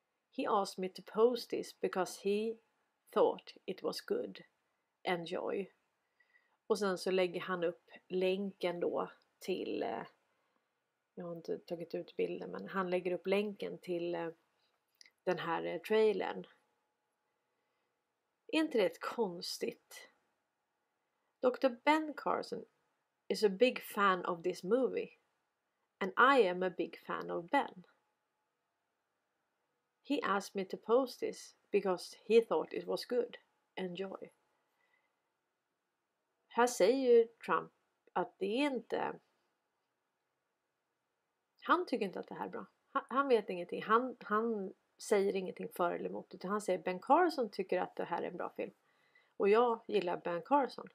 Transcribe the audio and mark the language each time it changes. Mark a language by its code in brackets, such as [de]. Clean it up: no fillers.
[en] He asked me to post this because he thought it was good. Enjoy. [sv] Och sen så lägger han upp länken då till, jag har inte tagit ut bilden, men han lägger upp länken till den här trailern. Är inte det konstigt? Dr. [en] Ben Carson is a big fan of this movie. And I am a big fan of Ben. He asked me to post this because he thought it was good. Enjoy. [sv] Här säger ju Trump att det är inte... Han tycker inte att det här är bra. Han vet ingenting. Han säger ingenting för eller emot. Utan han säger Ben Carson tycker att det här är en bra film. Och jag gillar Ben Carson.